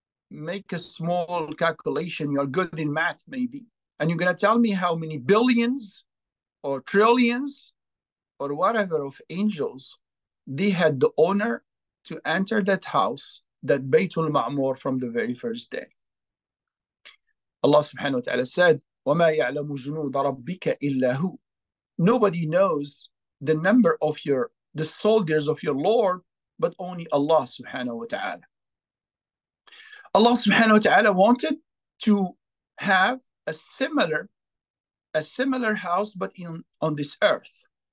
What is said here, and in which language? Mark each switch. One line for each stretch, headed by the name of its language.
English: make a small calculation, you're good in math maybe, and you're going to tell me how many billions or trillions or whatever of angels they had the honor to enter that house, that Baytul Ma'mur, from the very first day. Allah subhanahu wa ta'ala said,
Arabic: وَمَا يَعْلَمُ جُنُودَ رَبِّكَ إِلَّا هُوَ.
English: Nobody knows the number of the soldiers of your Lord, but only Allah subhanahu wa ta'ala. Allah subhanahu wa ta'ala wanted to have a similar house, but on this earth.